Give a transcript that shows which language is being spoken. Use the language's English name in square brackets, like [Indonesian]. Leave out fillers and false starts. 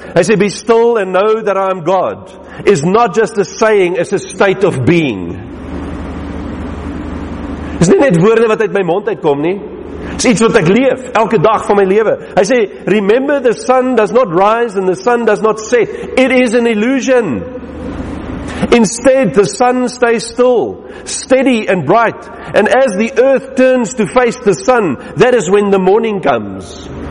[Afrikaans] Hy sê, [English] be still and know that I am God is not just a saying, it's a state of being. [Afrikaans] Is nie net woorde wat uit my mond uitkom nie. Is iets wat ek leef, elke dag van my lewe. Hy sê, [English] remember the sun does not rise and the sun does not set. It is an illusion. Instead, the sun stays still, steady and bright. And as the earth turns to face the sun, that is when the morning comes.